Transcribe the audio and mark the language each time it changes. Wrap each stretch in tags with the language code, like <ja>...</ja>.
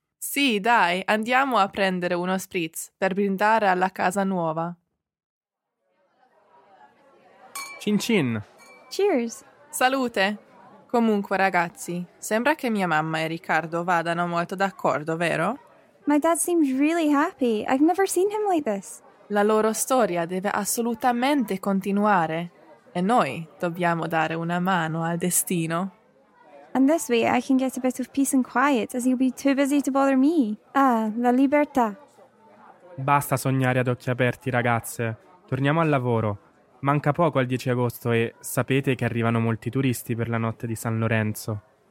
<it>Sì, dai, andiamo a prendere uno spritz per brindare alla casa nuova. Cin cin.</it> <en>Cheers.</en> <it>Salute. Comunque, ragazzi, sembra che mia mamma e Riccardo vadano molto d'accordo, vero?</it> <en>My dad seems really happy. I've never seen him like this.</en> <it>La loro storia deve assolutamente continuare. E noi dobbiamo dare una mano al destino.</it> <en>And this way I can get a bit of peace and quiet, as you'll be too busy to bother me.</en> <it>Ah, la libertà. Basta sognare ad occhi aperti, ragazze. Torniamo al lavoro. Manca poco al 10 agosto e sapete che arrivano molti turisti per la notte di San Lorenzo.</it>